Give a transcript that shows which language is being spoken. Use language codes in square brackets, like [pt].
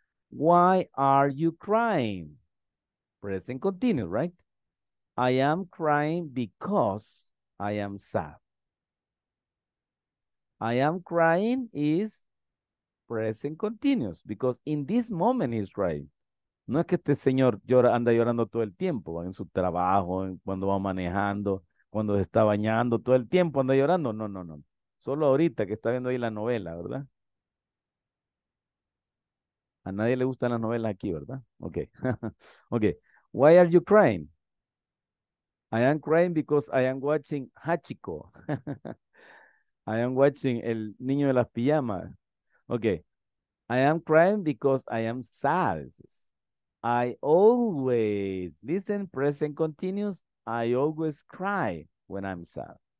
[en] Why are you crying? Present continuous, right? I am crying because I am sad. I am crying is present continuous, because in this moment he's driving. [es] No es que este señor anda llorando todo el tiempo, en su trabajo, cuando va manejando, cuando se está bañando, todo el tiempo anda llorando. No, no, no. Solo ahorita que está viendo ahí la novela, ¿verdad? A nadie le gustan las novelas aquí, ¿verdad? [en] Okay. Okay. Why are you crying? I am crying because I am watching Hachiko. I am watching El Niño de las Pijamas. Okay. I am crying because I am sad. I always, listen, present continuous, I always cry when I'm sad.